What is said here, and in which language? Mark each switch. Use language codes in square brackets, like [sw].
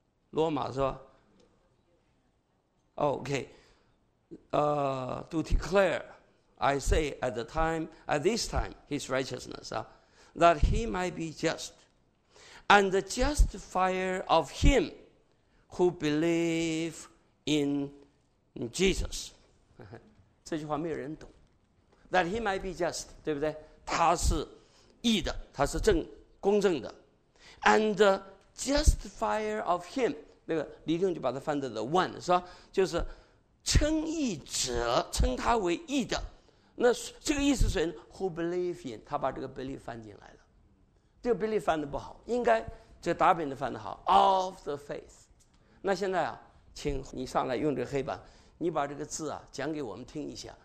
[zh] 罗马是吧 [en] ？OK， to declare, I say at the time, at this time, his righteousness 啊 ，that he might be just. And the justifier of him who believe in Jesus. [zh] 这句话没有人懂。 [en] That he might be just, [zh] 对不对？他是义的，他是正公正的。 [en] And the justifier of him, [zh] 那个李定就把它翻成 the one, 是吧？就是称义者，称他为义的。那这个意思是谁呢？ [en] Who believe in, [zh] 他把这个 believe 翻进来了。这个 belief 翻的不好，应该这个达本的翻的好 ， [en] of the faith。 [zh] 那现在啊，请你上来用这个黑板，你把这个字啊讲给我们听一下。